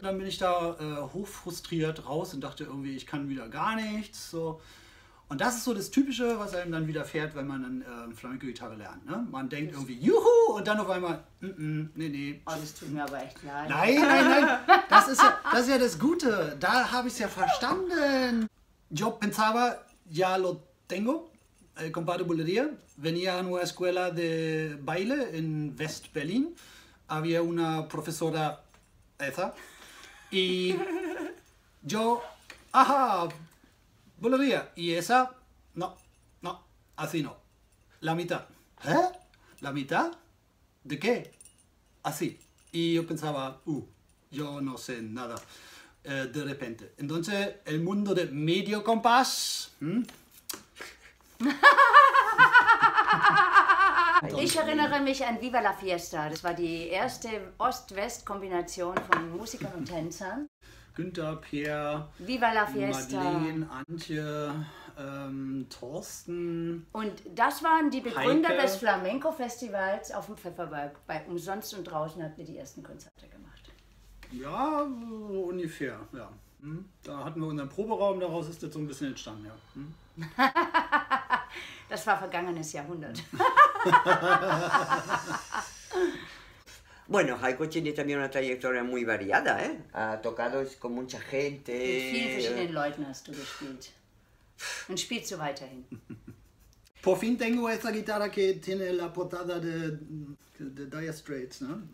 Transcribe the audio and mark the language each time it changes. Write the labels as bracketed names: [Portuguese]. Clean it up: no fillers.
[German] Dann bin ich da hochfrustriert raus und dachte irgendwie, ich kann wieder gar nichts. So. Und das ist so das Typische, was einem dann wieder fährt, wenn man dann Flamenco-Gitarre lernt. Ne? Man denkt irgendwie, juhu, und dann auf einmal, nee. Oh, das tut mir aber echt leid. Nein. Das ist ja das Gute. Da habe ich es ja verstanden. [Spanish] Yo pensaba... Ya lo tengo, el compás de bulería. Venía a una escuela de baile en West Berlin. Había una profesora esa. Y yo, ajá, bulería. Y esa, no, así no. La mitad. ¿Eh? ¿La mitad? ¿De qué? Así. Y yo pensaba, yo no sé nada. De repente. Entonces, el mundo de medio compás. [German] Ich erinnere mich an Viva la Fiesta. Das war die erste Ost-West-Kombination von Musikern und Tänzern. Günther, Peer, Viva la Fiesta. Madeleine, Antje, Thorsten. Und das waren die Begründer Heike. Des Flamenco-Festivals auf dem Pfefferberg. Bei Umsonst und Draußen hatten wir die ersten Konzerte gemacht. Ja, so ungefähr, ja. Da hatten wir unseren Proberaum, daraus ist jetzt so ein bisschen entstanden, ja. Das war vergangenes Jahrhundert. [Spanish] Bueno, Heiko tiene también una trayectoria muy variada, ¿eh? Ha tocado con mucha gente. [German] Mit vielen verschiedenen Leuten hast du gespielt. Und spielst du weiterhin. [Spanish] Por fin tengo esa guitarra que tiene la portada de Dire Straits, ¿no?